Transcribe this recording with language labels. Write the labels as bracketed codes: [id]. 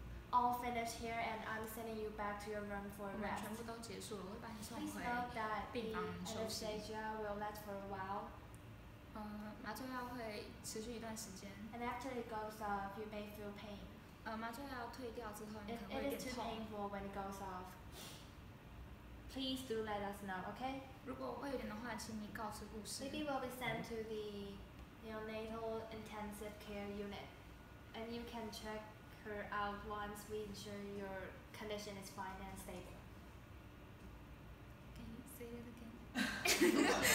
[en] All finished here, and I'm sending you back to your room for rest. [zh] 全部都结束了，我会把你送回病房休息。 [en] Please note that the anesthesia will last for a while. [zh] 麻醉药会持续一段时间。 [en] And after it goes off, you may feel pain. [zh] 麻醉药退掉之后，你可能会有点痛。 [en] It is too painful when it goes off. Please do let us know, okay? [zh] 如果会有点的话，请你告知护士。 [en] Maybe we'll be sent to the neonatal intensive care unit, and you can check. Her out once we ensure your condition is fine and stable. Can you say it again?